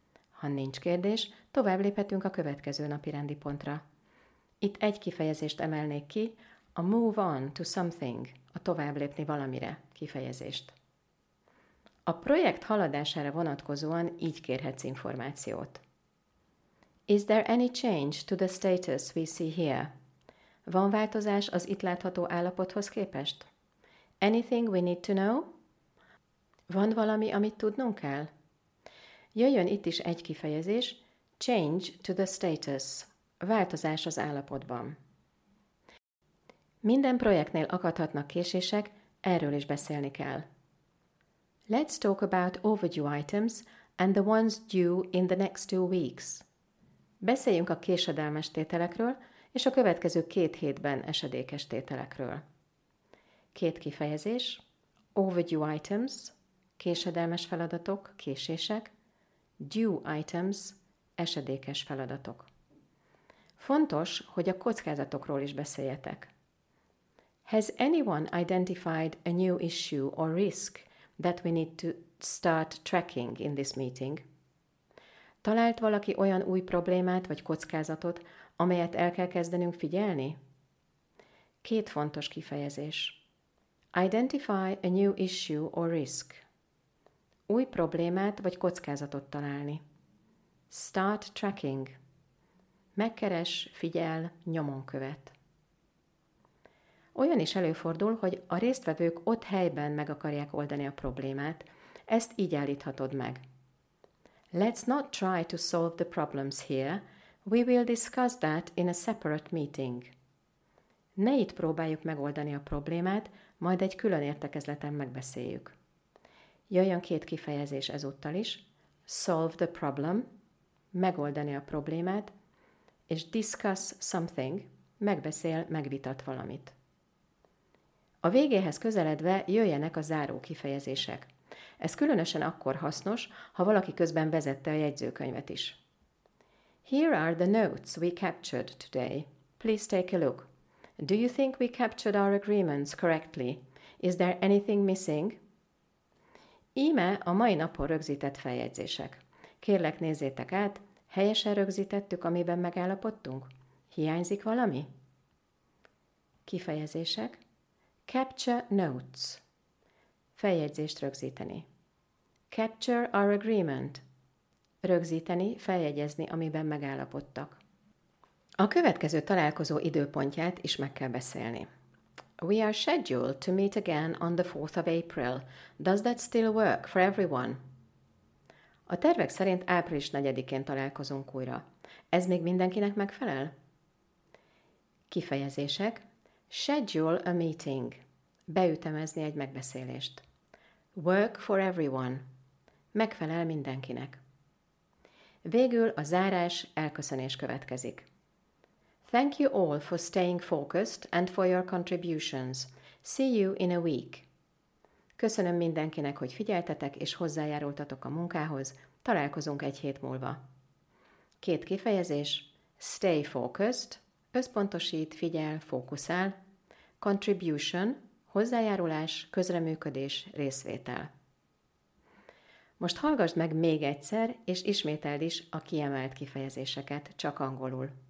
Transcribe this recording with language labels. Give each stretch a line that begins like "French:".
Hungarian: Ha nincs kérdés, tovább léphetünk a következő napirendi pontra. Itt egy kifejezést emelnék ki, a
English: move on to something,
Hungarian: a tovább lépni valamire kifejezést. A projekt haladására vonatkozóan így kérhetsz információt.
English: Is there any change to the status we see here?
Hungarian: Van változás az itt látható állapothoz képest?
English: Anything we need to know?
Hungarian: Van valami, amit tudnunk kell? Jöjjön itt is egy kifejezés,
English: change to the status,
Hungarian: változás az állapotban. Minden projektnél akadhatnak késések, erről is beszélni kell.
English: Let's talk about overdue items and the ones due in the next 2 weeks.
Hungarian: Beszéljünk a késedelmes tételekről és a következő 2 hétben esedékes tételekről. Két kifejezés,
English: overdue items,
Hungarian: késedelmes feladatok, késések,
English: due items,
Hungarian: esedékes feladatok. Fontos, hogy a kockázatokról is beszéljetek.
English: Has anyone identified a new issue or risk that we need to start tracking in this meeting?
Hungarian: Talált valaki olyan új problémát vagy kockázatot, amelyet el kell kezdenünk figyelni? Két fontos kifejezés.
English: Identify a new issue or risk.
Hungarian: Új problémát vagy kockázatot találni.
English: Start tracking.
Hungarian: Megkeres, figyel, nyomon követ. Olyan is előfordul, hogy a résztvevők ott helyben meg akarják oldani a problémát. Ezt így állíthatod meg.
English: Let's not try to solve the problems here. We will discuss that in a separate meeting.
Hungarian: Ne itt próbáljuk megoldani a problémát, majd egy külön értekezleten megbeszéljük. Jöjjön két kifejezés ezúttal is,
English: solve the problem,
Hungarian: megoldani a problémát, és
English: discuss something,
Hungarian: megbeszél, megvitat valamit. A végéhez közeledve jöjjenek a záró kifejezések. Ez különösen akkor hasznos, ha valaki közben vezette a jegyzőkönyvet is.
English: Here are the notes we captured today. Please take a look. Do you think we captured our agreements correctly? Is there anything missing?
Hungarian: Íme a mai napon rögzített feljegyzések. Kérlek, nézzétek át, helyesen rögzítettük, amiben megállapodtunk? Hiányzik valami? Kifejezések.
English: Capture notes.
Hungarian: Feljegyzést rögzíteni.
English: Capture our agreement.
Hungarian: Rögzíteni, feljegyezni, amiben megállapodtak. A következő találkozó időpontját is meg kell beszélni.
English: We are scheduled to meet again on the 4th of April. Does that still work for everyone?
Hungarian: A tervek szerint április 4-én találkozunk újra. Ez még mindenkinek megfelel? Kifejezések.
English: Schedule a meeting.
Hungarian: Beütemezni egy megbeszélést.
English: Work for everyone.
Hungarian: Megfelel mindenkinek. Végül a zárás, elköszönés következik.
English: Thank you all for staying focused and for your contributions. See you in a week.
Hungarian: Köszönöm mindenkinek, hogy figyeltetek és hozzájárultatok a munkához. Találkozunk egy hét múlva. Két kifejezés.
English: Stay focused.
Hungarian: Összpontosít, figyel, fókuszál. Contribution. Hozzájárulás, közreműködés, részvétel. Most hallgasd meg még egyszer, és ismételd is a kiemelt kifejezéseket, csak angolul.